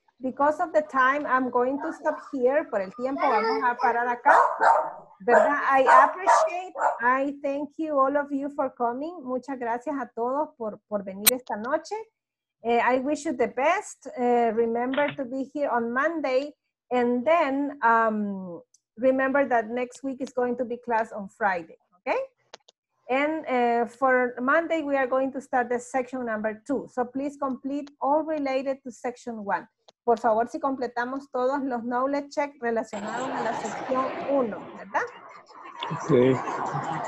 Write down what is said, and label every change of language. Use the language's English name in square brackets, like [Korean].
[English] Because of the time, I'm going to stop here. [Spanish] Por el tiempo, vamos a parar acá. ¿Verdad? [English] I appreciate, I thank you all of you for coming. [Spanish] Muchas gracias a todos por venir esta noche. [English] I wish you the best. Remember to be here on Monday. And then remember that next week is going to be class on Friday. Okay? And for Monday, we are going to start the section number 2. So please complete all related to section 1. [Spanish] Por favor, si completamos todos los knowledge check relacionados a la sección 1, ¿verdad?